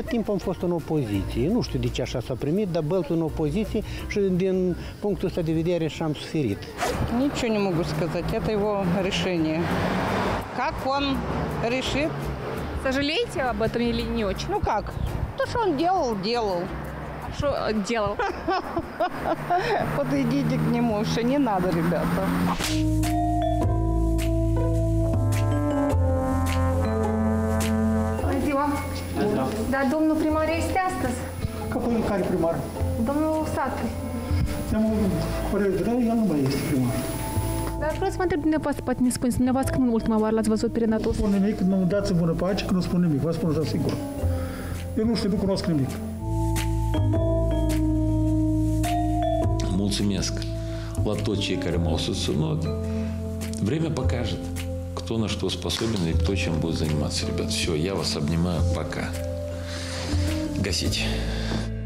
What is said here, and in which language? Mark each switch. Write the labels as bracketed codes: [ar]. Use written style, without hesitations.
[ro] Tot timpul am fost în opoziție. Nu știu de ce așa s-a primit, dar băltul în opoziție și din punctul ăsta de vedere și am suferit. Nici eu nu mă gust [ru] сказать. Это его решение. Как он решит? Сожалеете об этом или не очень? Ну как? То, что он делал. Что делал? Подойдите к нему, что не надо, ребята. [ro] Da, domnul primar este astăzi? Că păi în care primar? Domnul Usatăi. Ne-am urmărit, dar el nu mai este primar. Dar vreau să mă întreb dumneavoastră, poate ne spuneți dumneavoastră când în ultima oară l-ați văzut pe Renato Usatăi? Nu spun nimic, nu dați-mi bună pace, că nu spun nimic, vă spun așa sigur. Eu nu știu, nu cunosc nimic. Mulțumesc la toți cei care m-au susținut. Vremea [uk] покаже. [ru] Кто на что способен и кто чем будет заниматься, ребят. Все, я вас обнимаю. Пока. Гасить.